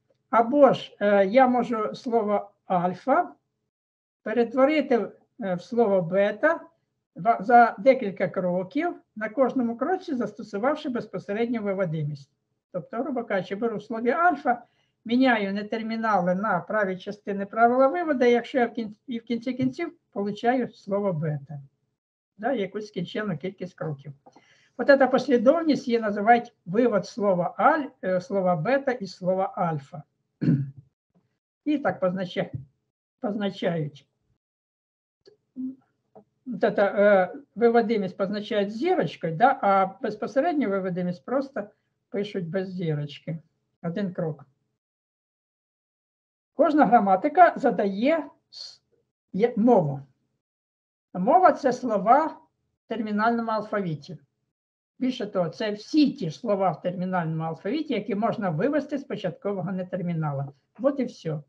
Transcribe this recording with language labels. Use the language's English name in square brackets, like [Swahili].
[Ukrainian] Або ж я можу слово альфа перетворити в слово бета за декілька кроків, на кожному кроці застосувавши безпосередню виводимість. Тобто, грубо кажучи, беру в слові альфа, міняю нетермінали на праві частини правила виводу, якщо я в кінці кінців получаю слово бета. Да, якусь скінчену кількість кроків. [Russian] Вот эта последовательность ей называть вывод слова слова бета и слова альфа. И так [Ukrainian] позначаючи. [Russian] Вот это выводимость позначает зерочкой, да, а беспосреднюю выводимость просто [Ukrainian] пишуть [Russian] без зерочки. [Ukrainian] Один крок. Кожна граматика задає мову. Мова – це слова в термінальному алфавіті. Більше того, це всі ті ж слова в термінальному алфавіті, які можна вивести з початкового нетермінала. От і все.